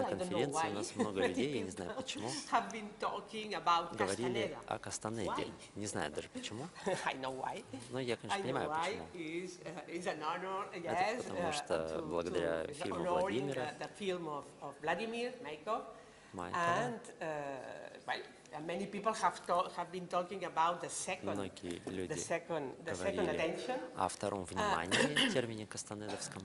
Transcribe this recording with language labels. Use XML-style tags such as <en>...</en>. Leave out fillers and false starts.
<ru>на конференции, у нас много людей, я не знаю почему, говорили о Кастанеде. Не знаю даже почему. Но я, конечно, понимаю, почему.</ru> <en>Is an honor, yes,</en> <ru>это потому что благодаря фильму Владимира,</ru> <en>Many people have been talking about the second attention.</en> <ru>О втором внимании, термине кастанедовском.</ru>